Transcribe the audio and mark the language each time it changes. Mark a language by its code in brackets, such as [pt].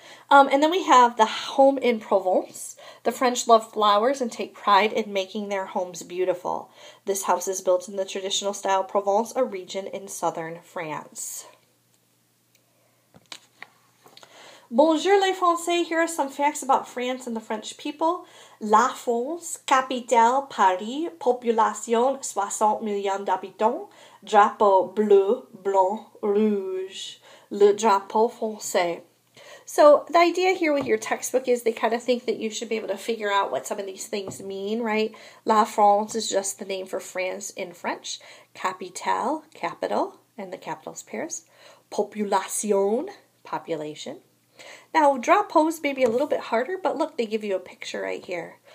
[en] And then we have the home in Provence. The French love flowers and take pride in making their homes beautiful. This house is built in the traditional style Provence, a region in southern France. [fr] Bonjour les Français, [en] here are some facts about France and the French people. [fr] La France, capitale Paris, population 60 millions d'habitants, drapeau bleu, blanc, rouge, le drapeau français. [en] So the idea here with your textbook is they kind of think that you should be able to figure out what some of these things mean, right? La France is just the name for France in French. Capitale, capital, and the capital is Paris. Population, population. Now, drapeau is maybe a little bit harder, but look, they give you a picture right here.